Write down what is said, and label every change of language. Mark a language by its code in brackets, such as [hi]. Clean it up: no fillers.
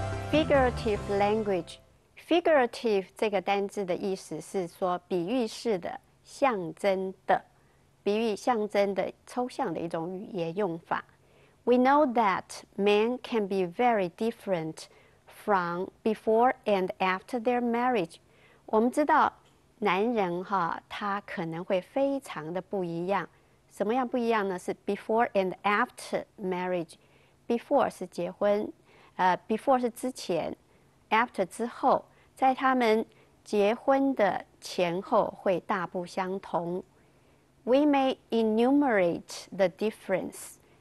[zh] Figurative language， figurative 这个单字的意思是说比喻式的、象征的。比喻象征的抽象的一种语言用法。 [en] We know that men can be very different from before and after their marriage. [zh] 我们知道男人哈，他可能会非常的不一样。什么样不一样呢？是 before and after marriage. Before 是结婚，before 是之前 ，after 之后，在他们结婚的前后会大不相同。 We may enumerate the difference.